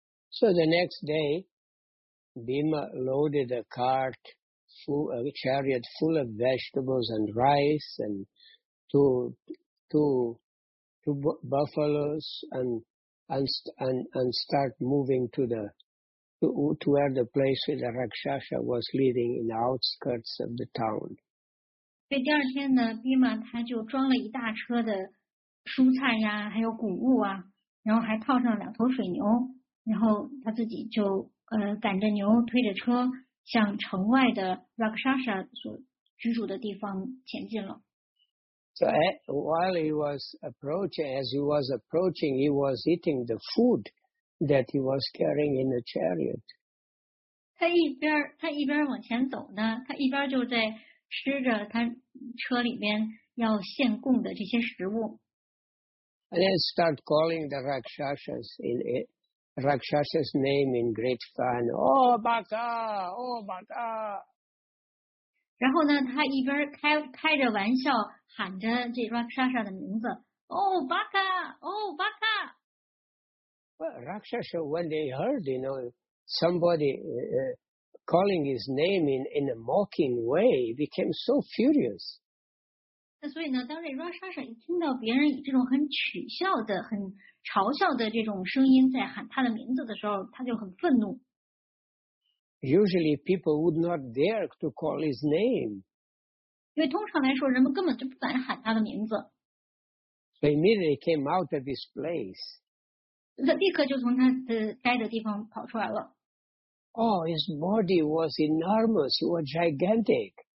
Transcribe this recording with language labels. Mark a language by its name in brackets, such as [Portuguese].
[English] So the next day, Bhima loaded a chariot full of vegetables and rice and two buffaloes and start moving to where the place where the Rakshasa was living in the outskirts of the town. [Chinese] 对，第二天呢 ，Bhima 他就装了一大车的蔬菜呀，还有谷物啊，然后还套上两头水牛，然后他自己就赶着牛推着车向城外的 Rakshasa 所居住的地方前进了。 [English] So while he was approaching, as he was approaching, he was eating the food that he was carrying in the chariot. [Chinese] 他一边往前走呢，他一边就在吃着他车里面要献供的这些食物。 [English] And then start calling the Rakshasas in Rakshasas name in great fun. Oh, Baka! Oh, Baka! [Chinese] 然后呢，他一边开着玩笑。喊着这 Rakshasa 的名字 ，Oh Baka, Oh Baka. [English] Well, Rakshasa, when they heard, you know, somebody calling his name in a mocking way, became so furious. [Chinese] 那所以呢，当这 Rakshasa 一听到别人以这种很取笑的、很嘲笑的这种声音在喊他的名字的时候，他就很愤怒。 [English] Usually, people would not dare to call his name. [Chinese] 因为通常来说，人们根本就不敢喊他的名字。 [English] So immediately came out of this place. [Chinese] 他立刻就从他的待的地方跑出来了。 [English] Oh, his body was enormous. He was gigantic.